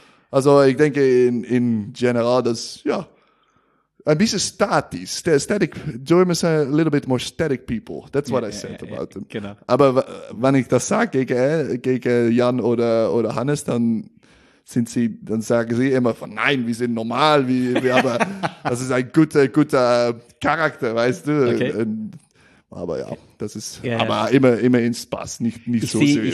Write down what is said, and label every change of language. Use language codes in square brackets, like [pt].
[de] Also, ich denke, [en] in general, [de] das, ja, ein bisschen statisch, static. [en] Germans are a little bit more static people. That's what I said about them. [de] Genau. Aber wenn ich das sage gegen Jan oder Hannes, dann sagen sie immer von nein, wir sind normal, wir aber das ist ein guter Charakter, weißt du. Okay. Aber ja, das ist immer in Spaß, nicht so seriös.